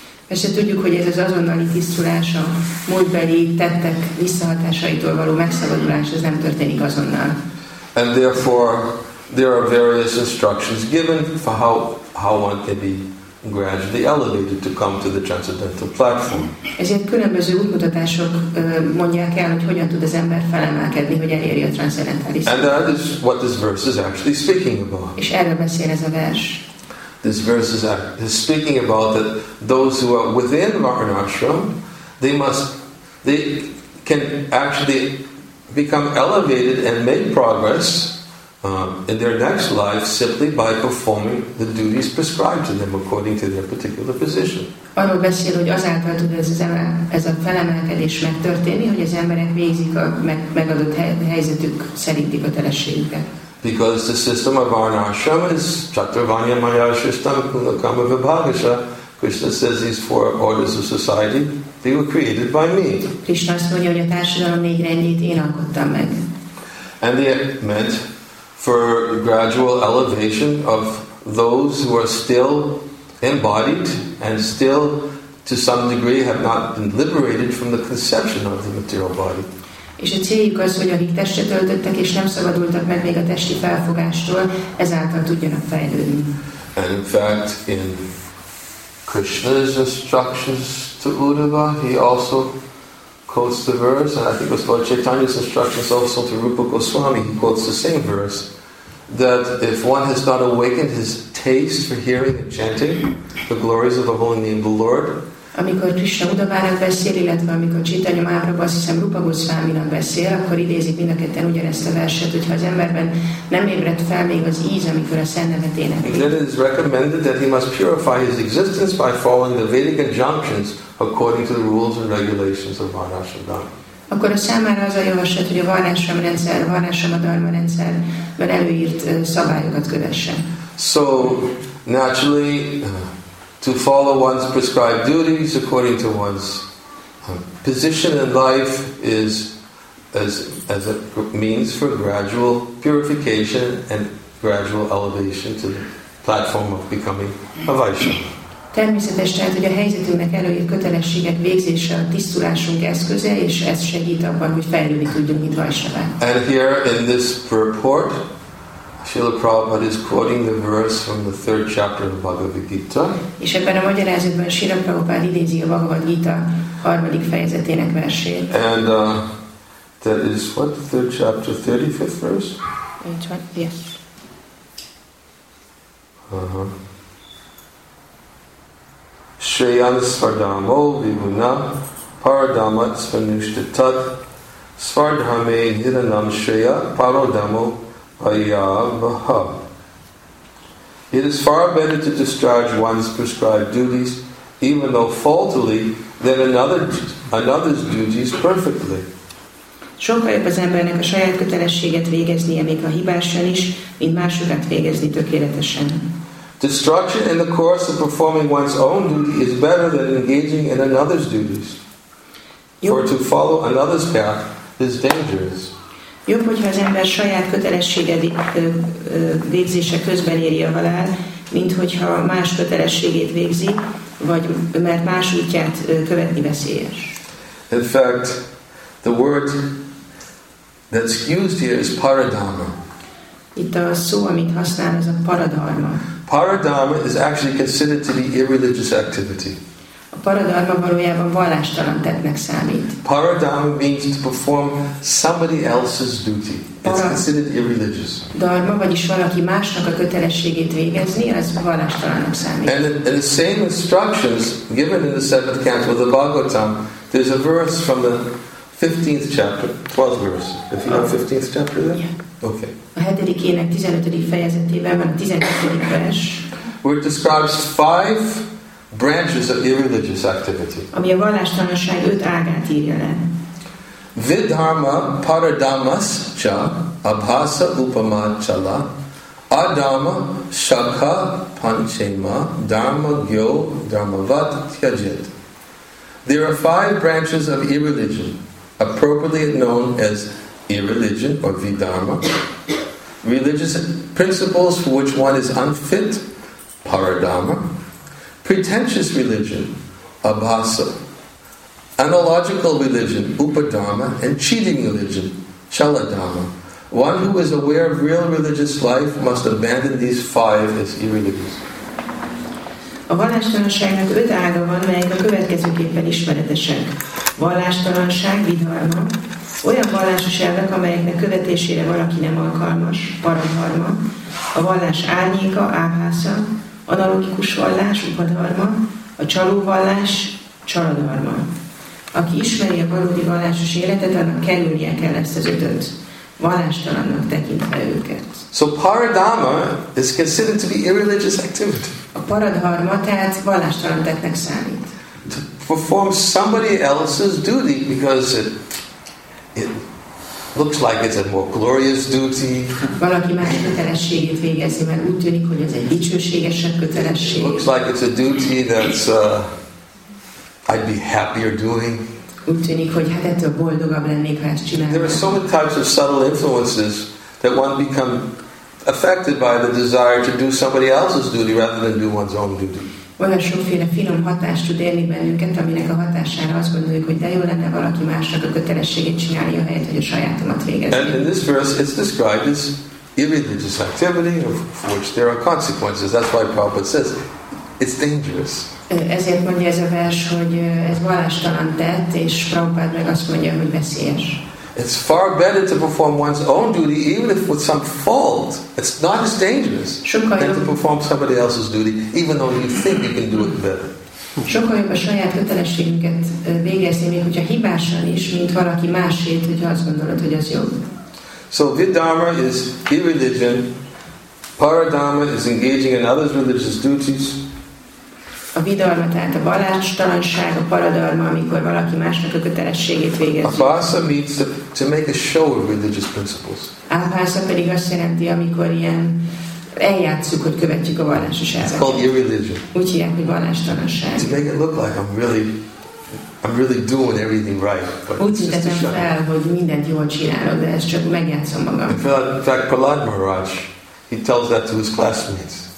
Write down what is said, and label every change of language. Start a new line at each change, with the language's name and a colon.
Hungarian: Persze tudjuk, hogy ez az azonnali tisztulás, a múltbeli tettek visszahatásaitól való megszabadulás, ez nem történik azonnal.
English: And therefore, there are various instructions given for how one can be gradually elevated to come to the transcendental platform.
Hungarian: Ezért különböző útmutatások mondják el, hogy hogyan tud az ember felemelkedni, hogy elérje a transzendentális.
English: And that is what this verse is actually speaking about.
Hungarian: És erről beszél ez a vers.
English: This verse is speaking about that those who are within Varnashram, they can actually become elevated and make progress in their next life simply by performing the duties prescribed to them according to their particular position.
Hungarian: Arról beszél, hogy azáltal tud ez a felemelkedés megtörténni, hogy az emberek végzik a megadott helyzetük szerint a kötelességüket.
English: Because the system of Varnashram is
Sanskrit: Chaturvanya Maya Shristam Kunakama Vibhagasha.
English: Krishna says these four orders of society, they were created by me.
Hungarian: Krishna azt mondja, hogy a társadalom négy rendjét én alkottam meg.
English: And they meant for gradual elevation of those who are still embodied and still to some degree have not been liberated from the conception of the material body.
Hungarian: És a céljuk az, hogy akik testet öltöttek és nem szabadultak meg még a testi felfogástól, ezáltal tudjanak fejlődni.
English: And in fact, in Krishna's instructions to Uddhava, he also quotes the verse, and I think it was Lord Chaitanya's instructions also to Rupa Goswami, he quotes the same verse, that if one has not awakened his taste for hearing and chanting the glories of the holy name of the Lord,
Hungarian: amikor Krishna Udavárát beszél, illetve amikor Chaitanya Mahaprabhu, azt hiszem Rupa Goswaminak beszél, akkor idézik mind a ketten ugyanezt a verset, hogyha az emberben nem ébredt fel még az íz, amikor a szent nevet énekli.
English: Then it is recommended that he must purify his existence by following the Vedic injunctions according to the rules and regulations of Varnashram Dharma.
Hungarian: Akkor a számára az a javaslat, hogy a Varnashram rendszer, a Varnashram Dharma rendszerben előírt szabályokat kövesse.
English: So, naturally, to follow one's prescribed duties according to one's position in life is as a means for gradual purification and gradual elevation to the platform of becoming a Vaishnava.
Hungarian: Természetes, tehát, hogy a helyzetünknek előír kötelességek végzése a tisztulásunk eszköze, és ez segít abban, hogy fejlődni tudjunk, mint Vaishnavák.
English: And here in this purport, Srila Prabhupada is quoting the verse from the third chapter of the Bhagavad Gita.
Hungarian: És ebben a magyarázatban Srila Prabhupada idézi a Bhagavad Gita harmadik fejezetének versét.
English: And that is what, the third chapter, 35th verse? Which one? Yes.
Sanskrit: Shreyan svardhamo vibhuna paradhamma svanushta tat svardhame hiranam shreya parodhamo ayavaha.
English: It is far better to discharge one's prescribed duties, even though faultily, than another's duties perfectly.
Hungarian: Sokkal jobb az embernek a saját kötelességet végeznie, még a hibásan is, mint másokat végezni tökéletesen.
English: Destruction in the course of performing one's own duty is better than engaging in another's duties. For to follow another's path is dangerous.
Hungarian: Jobb, hogyha az ember saját kötelességed végzése közben éri a halál, mint hogyha más kötelességét végzi, vagy mert más útját követni veszélyes.
English: In fact, the word that's used here is paradhamma.
Hungarian: Itt a szó, amit használ, ez a paradharma.
English: Paradharma is actually considered to be irreligious activity.
Hungarian: A paradharma valójában vallástalan tettnek számít.
English: Paradharma means to perform somebody else's duty. It's considered irreligious.
Hungarian: Dharma, vagyis valaki másnak a kötelességét végezni, az vallástalannak számít.
English: And the same instructions given in the seventh canto of the Bhagavatam, there's a verse from the 15th chapter, 12th verse. If you have 15th chapter there? Yeah. Okay.
Hungarian: A hetedik ének 15. fejezetében van a 12. vers.
English: Where it describes five branches of irreligious activity.
Hungarian: Ami a vallástalanság öt ágát írja le.
Sanskrit: Vidharma paradhammas cha abhasa upama chala adhamma shakha panchema dharma gyo dharma vat tyajit.
English: There are five branches of irreligion, appropriately known as irreligion or vidharma. Religious principles for which one is unfit, paradharma. Pretentious religion, abhasa. Analogical religion, upadharma. And cheating religion, chaladharma. One who is aware of real religious life must abandon these five as irreligious.
Hungarian: A vallástalanságnak öt ága van, melyek a következőképpen ismeretesek. Vallástalanság, vidharma. Olyan vallásos elvek, amelyeknek követésére valaki nem alkalmas, paradharma. A vallás árnyéka, áhásza, analogikus vallás, upadharma, a csaló vallás, csaladharma. Aki ismeri a valódi vallásos életet, annak kerülnie kell ezt az ötöt, vallástalannak tekintve őket.
English: So paradharma is considered to be irreligious activity.
Hungarian: A paradharma tehát vallástalan tettnek számít.
English: To perform somebody else's duty because it looks like it's a more glorious duty.
Hungarian: Valaki más kötelességét végezni, mert úgy tűnik, hogy ez egy dicsőségesebb kötelesség.
English: Looks like it's a duty that's I'd be happier doing.
Hungarian: Úgy tűnik, hogy hát ettől boldogabb lennék, ha ezt csinálnám.
English: There are so many types of subtle influences that one become affected by the desire to do somebody else's duty rather than do one's own duty.
Hungarian: Olyan sokféle finom hatást tud élni bennünket, aminek a hatására azt gondoljuk, hogy de jó lenne valaki másnak a kötelességét csinálni, a helyet, hogy a sajátomat végezni.
English: And in this verse it's described as irreligious activity for which there are consequences. That's why Prabhupada says it's dangerous.
Hungarian: Ezért mondja ez a vers, hogy ez vallástalan tett, és Prabhupada meg azt mondja, hogy veszélyes.
English: It's far better to perform one's own duty, even if with some fault. It's not as dangerous than to perform somebody else's duty, even though you think you can do it better.
Hungarian: Sokkal jobb a saját kötelességünket végezni, még hogyha hibásan is, mint valaki másét, hogy azt gondolod, hogy az jobb.
English: So vidharma is irreligion. Paradharma is engaging in others' religious duties.
Hungarian: A vidharma, tehát a vallástalanság, a paradharma, amikor valaki másnak a kötelességét végezi.
English: Abhasa means to make a show of religious principles.
Hungarian: Abhasa pedig azt jelenti, amikor ilyen eljátszuk, hogy követjük a vallásos elveket.
English: It's called irreligion.
Hungarian: Úgy hívják, hogy vallástalanság.
English: To make it look like I'm really I'm really doing everything right. In fact, Prahlad Maharaj, he tells that to his classmates.